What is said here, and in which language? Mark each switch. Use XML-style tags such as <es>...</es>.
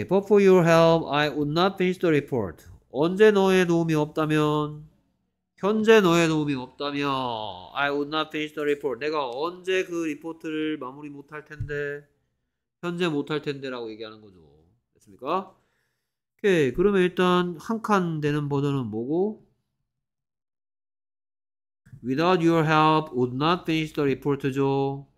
<en>For your help, I would not finish the report.</en> <ko>언제 너의 도움이 없다면? 현재 너의 도움이 없다면?</ko> <en>I would not finish the report.</en> <ko>내가 언제 그 리포트를 마무리 못할 텐데? 현재 못할 텐데라고 얘기하는 거죠. 됐습니까? 오케이. 그러면 일단 한칸 되는 버전은 뭐고?</ko> <en>Without your help, would not finish the report죠.</en>